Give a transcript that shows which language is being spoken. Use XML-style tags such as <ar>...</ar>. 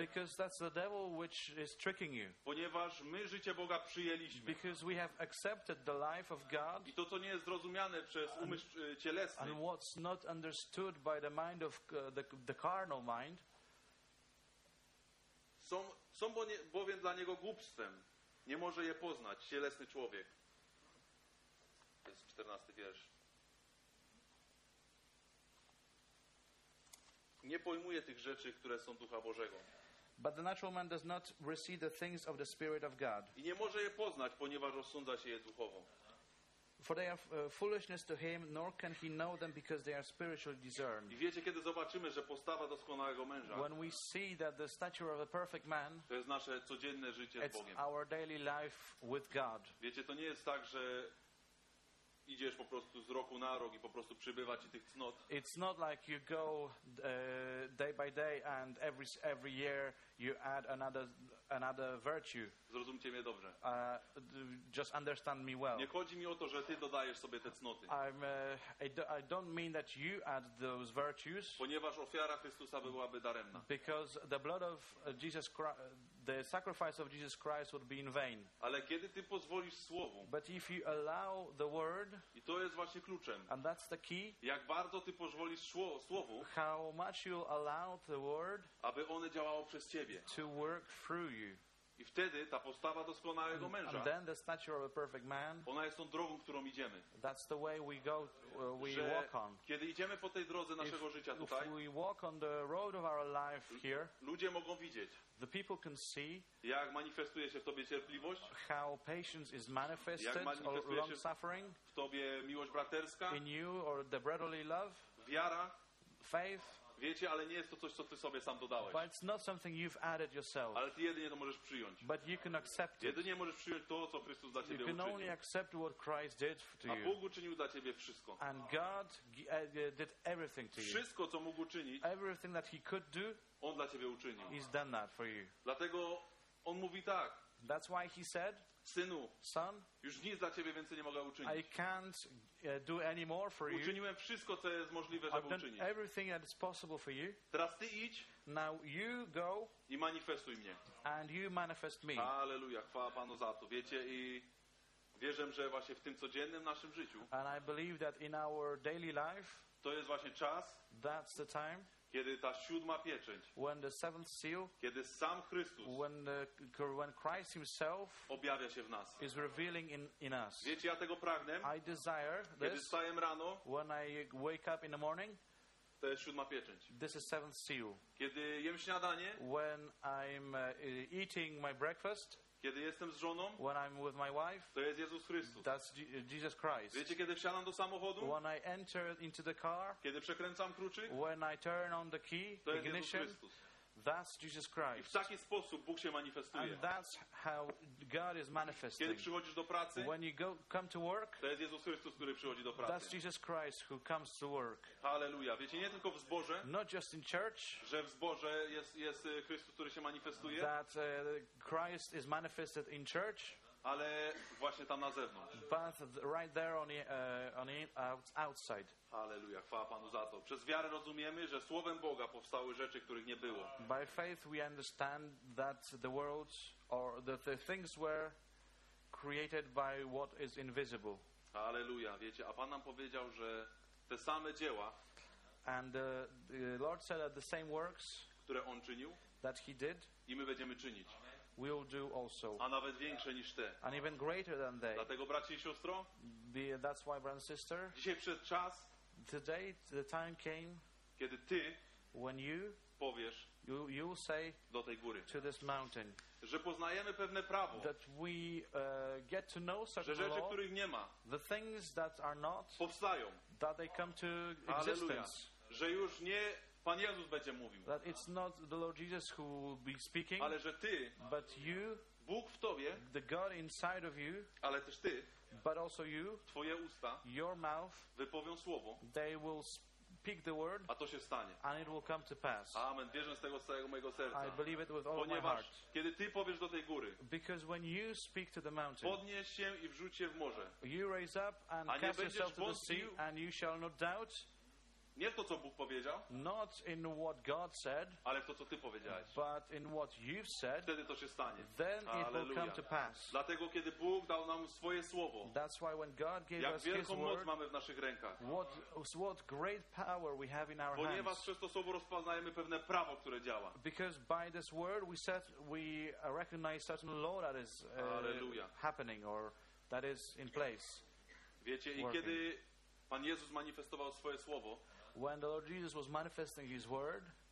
<en>Because that's the devil which is tricking you.</en> <pl>Ponieważ my życie Boga przyjęliśmy.</pl> <en>Because we have accepted the life of God.</en> <pl>I to, co nie jest zrozumiane przez umysł cielesny.</pl> <en>And what's not understood by the mind of the carnal mind.</en> <pl>Są bowiem dla niego głupstwem. Nie może je poznać cielesny człowiek. To jest 14 wiersz. Nie pojmuje tych rzeczy, które są Ducha Bożego.</pl> <en>But the natural man does not receive the things of the Spirit of God.</en> <pl>I nie może je poznać, ponieważ rozsądza się je duchowo.</pl> <en>For they are foolishness to him, nor can he know them because they are spiritually discerned.</en> <pl>I wiecie, kiedy zobaczymy, że postawa doskonałego męża,</pl> <en>when we see that the stature of a perfect man,</en> <pl>to jest nasze codzienne życie z Bogiem.</pl> <en>It's our daily life with God.</en> <pl>Wiecie, to nie jest tak, że idziesz po prostu z roku na rok i po prostu przybywa ci tych cnot.</pl> <en>It's not like you go day by day and every year you add another virtue.</en> <pl>Zrozumcie mnie dobrze.</pl> <en>Just understand me well.</en> <pl>Nie chodzi mi o to, że ty dodajesz sobie te cnoty.</pl> <en>I don't mean that you add those virtues.</en> <pl>Ponieważ ofiara Chrystusa byłaby daremna.</pl> <en>Because the blood of Jesus Christ, the sacrifice of Jesus Christ would be in vain.</en> <pl>Ale kiedy ty pozwolisz słowu,</pl> <en>but if you allow the word,</en> <pl>i to jest właśnie kluczem,</pl> <en>and that's the key,</en> <pl>jak bardzo ty pozwolisz słowu,</pl> <en>how much you allow the word,</en> <pl>aby one działało przez ciebie,</pl> <en>to work through you.</en> <pl>I wtedy ta postawa doskonałego męża,</pl> <en>and then the stature of a perfect man,</en> <pl>ona jest tą drogą, którą idziemy.</pl> <en>That's the way we go, we walk on.</en> <pl>Kiedy idziemy po tej drodze naszego życia tutaj,</pl> <en>if we walk on the road of our life here,</en> <pl>ludzie mogą widzieć,</pl> <en>the people can see,</en> <pl>jak manifestuje się w tobie cierpliwość,</pl> <en>how patience is manifested,</en> <pl>jak manifestuje</pl> <en>or long suffering,</en> <pl>w tobie miłość braterska,</pl> <en>in you or the brotherly love,</en> <pl>wiara,</pl> <en>faith.</en> <pl>Wiecie, ale nie jest to coś, co ty sobie sam dodałeś.</pl> <en>But it's not something you've added yourself.</en> <pl>Ale ty jedynie to możesz przyjąć.</pl> <en>But you can accept it.</en> <pl>Jedynie możesz przyjąć to, co Chrystus dla ciebie uczynił.</pl> <en>You can only accept what Christ did to you.</en> <pl>A Bóg uczynił dla ciebie wszystko.</pl> <en>And God did everything to you.</en> <pl>Wszystko, co mógł uczynić,</pl> <en>everything that he could do,</en> <pl>on dla ciebie uczynił.</pl> <en>He's done that for you.</en> <pl>Dlatego on mówi tak.</pl> <en>That's why he said,</en> <pl>synu,</pl> <en>son,</en> <pl>już nic dla ciebie więcej nie mogę uczynić.</pl> <en>I can't do any more for you.</en> <pl>Uczyniłem wszystko, co jest możliwe, żeby uczynić.</pl> <en>Everything that is possible for you.</en> <pl>Teraz ty idź.</pl> <en>Now you go.</en> <pl>I manifestuj mnie.</pl> <en>And you manifest me.</en> <pl>Alleluja, chwała Panu za to. Wiecie, i wierzę, że właśnie w tym codziennym naszym życiu,</pl> <en>and I believe that in our daily life,</en> <pl>to jest właśnie czas,</pl> <en>that's the time,</en> <pl>kiedy ta siódma pieczęć,</pl> <en>when the seventh seal,</en> <pl>kiedy sam Chrystus,</pl> <en>when Christ himself,</en> <pl>objawia się w nas,</pl> <en>is revealing in us.</en> <pl>Wiecie, ja tego pragnę.</pl> <en>I desire</en> <pl>kiedy</pl> <en>this,</en> <pl>wstaję rano,</pl> <en>when I wake up in the morning,</en> <pl>to jest siódma pieczęć.</pl> <en>This is seventh seal.</en> <pl>Kiedy jem śniadanie,</pl> <en>when I'm eating my breakfast,</en> <pl>kiedy jestem z żoną,</pl> <en>when I'm with my wife,</en> <pl>to jest Jezus Chrystus.</pl> <en>That's Jesus Christ.</en> <pl>Wiecie, kiedy wsiadam do samochodu,</pl> <en>when I enter into the car,</en> <pl>kiedy przekręcam kluczyk,</pl> <en>when I turn on the key,</en> <pl>to jest Jezus Chrystus.</pl> <en>That's Jesus Christ.</en> <pl>I w taki sposób Bóg się manifestuje.</pl> <en>And that's how God is manifesting.</en> <pl>Kiedy przychodzisz do pracy,</pl> <en>when you go, come to work,</en> <pl>to jest Jezus Chrystus, który przychodzi do pracy.</pl> <en>That's Jesus Christ who comes to work. Hallelujah.</en> <pl>Wiecie, nie tylko w zborze,</pl> <en>not just in church,</en> <pl>że w zborze jest Chrystus, który się manifestuje,</pl> <en>that Christ is manifested in church,</en> <pl>ale właśnie tam na zewnątrz.</pl> <en>But right there on the outside.</en> <pl>Hallelujah. Chwała Panu za to. Przez wiarę rozumiemy, że słowem Boga powstały rzeczy, których nie było.</pl> <en>By faith we understand that the worlds or that the things were created by what is invisible. Hallelujah.</en> <pl>Wiecie, a Pan nam powiedział, że te same dzieła,</pl> <en>and the Lord said that the same works,</en> <pl>które on czynił,</pl> <en>that he did,</en> <pl>i my będziemy czynić.</pl> <en>We'll do also.</en> <pl>A nawet większe niż te.</pl> <en>And even greater than they.</en> <pl>Dlatego, bracie i siostro,</pl> <en>that's why, brother and sister,</en> <pl>dzisiaj przed czas,</pl> <en>today the time came,</en> <pl>kiedy ty,</pl> <en>when you,</en> <pl>powiesz,</pl> <en>you say,</en> <pl>do tej góry,</pl> <en>to this mountain,</en> <pl>że poznajemy pewne prawo,</pl> <en>that we get to know such</en> <pl>że rzeczy,</pl> <en>law,</en> <pl>których nie ma,</pl> <en>the things that are not,</en> <pl>powstają,</pl> <en>that they come to existence.</en> <pl>Że już nie Pan Jezus będzie mówił.</pl> <en>That it's not the Lord Jesus who will be speaking.</en> <pl>Ale że ty,</pl> <en>but you,</en> <pl>Bóg w tobie,</pl> <en>the God inside of you,</en> <pl>ale też ty,</pl> <en>but also you,</en> <pl>twoje usta,</pl> <en>your mouth,</en> <pl>wypowią słowo,</pl> <en>they will speak the word,</en> <pl>a to się stanie.</pl> <en>And it will come to pass. Amen.</en> <pl>Wierzę z tego całego mojego serca.</pl> <en>I believe it with all</en> <pl>ponieważ</pl> <en>my heart.</en> <pl>Kiedy ty powiesz do tej góry,</pl> <en>because when you speak to the mountain,</en> <pl>podnieś się i wrzuć się w morze,</pl> <en>you raise up and cast yourself to the sea, and you shall not doubt.</en> <pl>Nie to, co Bóg powiedział,</pl> <en>not in what God said,</en> <pl>ale w to, co ty powiedziałeś.</pl> <en>But in what you've said,</en> <pl>wtedy to się stanie.</pl> <en>Then</en> <pl>Alleluja.</pl> <en>It will come to pass.</en> <pl>Dlatego, kiedy Bóg dał nam swoje słowo,</pl> <en>that's why when God gave</en> <pl>jak</pl> <en>us</en> <pl>wielką</pl> <en>his</en> <pl>moc</pl> <en>word,</en> <pl>mamy w naszych rękach.</pl> <en>What great power we have in our</en> <pl>ponieważ</pl> <en>hands.</en> <pl>Przez to słowo rozpoznajemy pewne prawo, które działa.</pl> <en>Because by this word we recognize certain law that is happening or that is in place.</en> <pl>Wiecie,</pl> <en>working.</en> <pl>I kiedy Pan Jezus manifestował swoje słowo,</pl> <en>when the Lord Jesus was manifesting his word,</en>